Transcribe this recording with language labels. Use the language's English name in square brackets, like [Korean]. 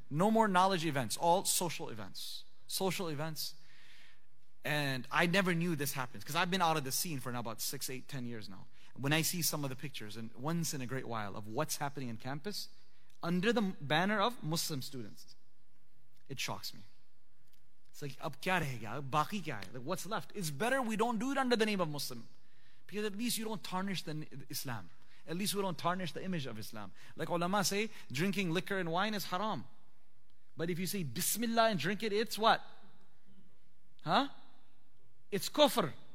[English] No more knowledge events, all social events. Social events. And I never knew this happens, because I've been out of the scene for now about 6, 8, 10 years now. When I see some of the pictures, and once in a great while, of what's happening on campus under the banner of Muslim students, it shocks me. It's like، [Urdu] اب کیا رہے گا، باقی کیا ہے؟ [English] Like, what's left? It's better we don't do it under the name of Muslim, because at least you don't tarnish the Islam. At least we don't tarnish the image of Islam. Like ulama say, drinking liquor and wine is haram. But if you say Bismillah and drink it, it's what? Huh? It's kufr.